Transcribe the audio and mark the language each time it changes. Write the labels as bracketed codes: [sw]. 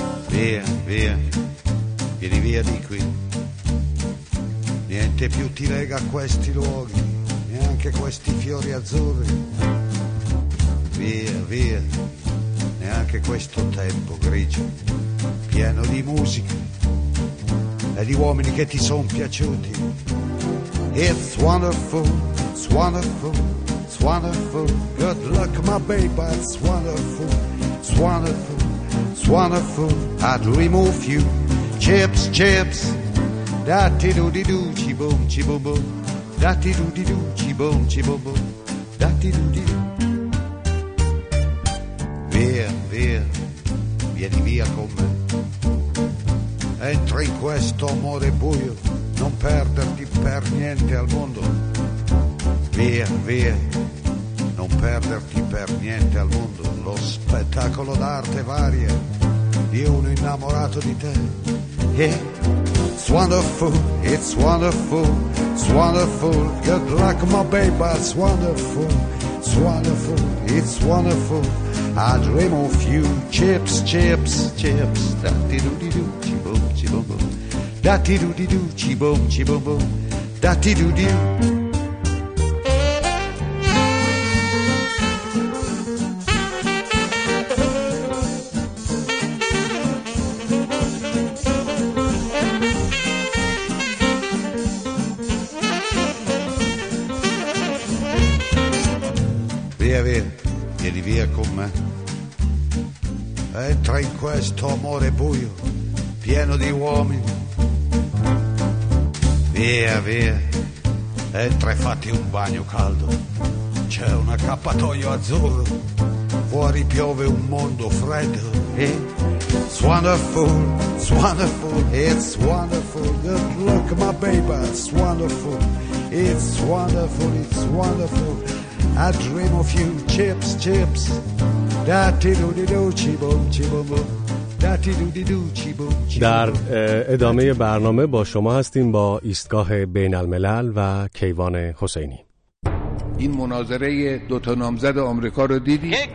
[it] ویا ویا vieni via di qui, niente più ti lega a questi luoghi, neanche questi fiori azzurri. Via via, neanche questo tempo grigio pieno di musica e di uomini che ti son piaciuti. [en] It's wonderful, it's wonderful, it's wonderful, good luck my baby, it's wonderful, it's wonderful, it's wonderful, I'd remove you. Chips, chips, datti do di do, ci boom, ci boom boom, datti do di do, ci boom, ci boom boom, datti do di do. [it] Via, via, vieni via con me, entra in questo amore buio, non perderti per niente al mondo. Via, via, non perderti per niente al mondo, lo spettacolo d'arte varia di uno innamorato di te. [en] Yeah. It's wonderful, it's wonderful, it's wonderful, good luck my baby, it's wonderful, it's wonderful, it's wonderful, I dream of you. Chips, chips, chips, da-di-do-di-doo, chi-boom, chi-boom-boom, da-di-do-di-doo, chi-boom, chi-boom-boom, da-di-do-di-doo. [it] Entra in questo amore buio, pieno di uomini. Via, via, entra e fatti un bagno caldo. C'è un accappatoio azzurro, fuori piove un mondo freddo. [en] It's wonderful, it's wonderful, it's wonderful, good luck my baby, it's wonderful, it's wonderful, it's wonderful, I dream of you. Chips, chips, [fa] در ادامه برنامه با شما هستیم با ایستگاه بین الملل و کیوان حسینی. این مناظره دوتا نامزد آمریکا رو دیدی؟